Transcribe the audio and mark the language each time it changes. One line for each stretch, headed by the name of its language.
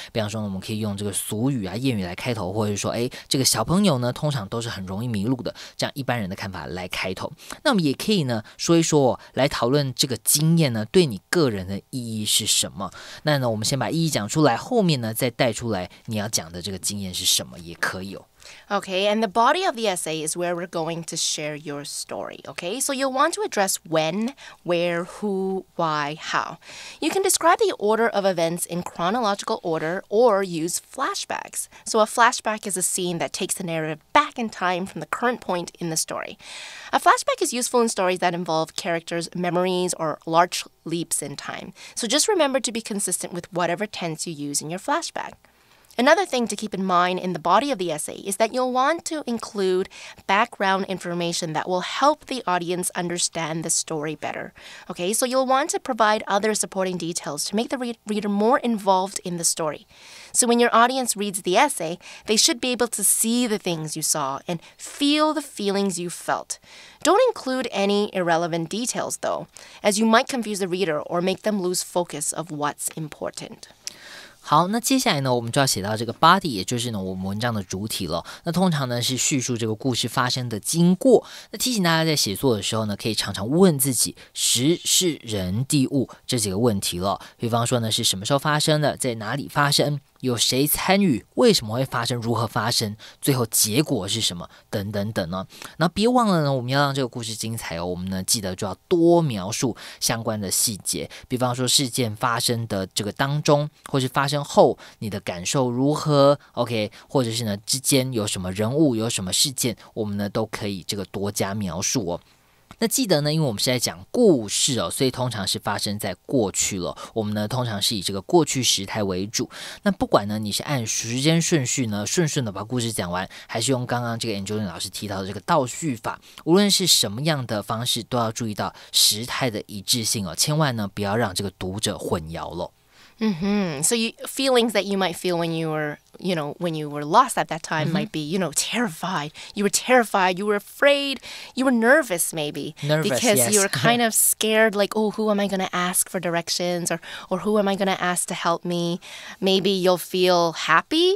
Chinese: 比方说，我们可以用这个俗语啊、谚语来开头，或者说，哎，这个小朋友呢，通常都是很容易迷路的，这样一般人的看法来开头。那我们也可以呢，说一说，来讨论这个经验呢，对你个人的意义是什么？那呢，我们先把意义讲出来，后面呢，再带出来你要讲的这个经验是什么，也可以哦。
English: Okay, and the body of the essay is where we're going to share your story, okay? So you'll want to address when, where, who, why, how. You can describe the order of events in chronological order or use flashbacks. So a flashback is a scene that takes the narrative back in time from the current point in the story. A flashback is useful in stories that involve characters' memories or large leaps in time. So just remember to be consistent with whatever tense you use in your flashback. Another thing to keep in mind in the body of the essay is that you'll want to include background information that will help the audience understand the story better. Okay, so you'll want to provide other supporting details to make the reader more involved in the story. So when your audience reads the essay, they should be able to see the things you saw and feel the feelings you felt. Don't include any irrelevant details, though, as you might confuse the reader or make them lose focus of what's important.
Chinese: 好，那接下来呢，我们就要写到这个 body， 也就是呢我们文章的主体了。那通常呢是叙述这个故事发生的经过。那提醒大家在写作的时候呢，可以常常问自己时、事、人、地、物这几个问题了。比方说呢，是什么时候发生的，在哪里发生？有谁参与，为什么会发生，如何发生，最后结果是什么，等等等呢。那别忘了呢，我们要让这个故事精彩哦，我们呢记得就要多描述相关的细节，比方说事件发生的这个当中，或是发生后你的感受如何 ，OK， 或者是呢之间有什么人物，有什么事件，我们呢都可以这个多加描述哦。那记得呢，因为我们是在讲故事哦，所以通常是发生在过去了。我们呢，通常是以这个过去时态为主。那不管呢，你是按时间顺序呢，顺顺的把故事讲完，还是用刚刚这个 Angelina 老师提到的这个倒叙法，无论是什么样的方式，都要注意到时态的一致性哦，千万呢，不要让这个读者混淆了。 Mm-hmm.
English: So you, feelings that you might feel when you were, you know, when you were lost at that time mm-hmm. might be, you know, terrified. You were terrified. You were afraid. You were nervous, maybe. Nervous, because yes. you were kind of scared, like, oh, who am I going to ask for directions? Or who am I going to ask to help me? Maybe you'll feel happy.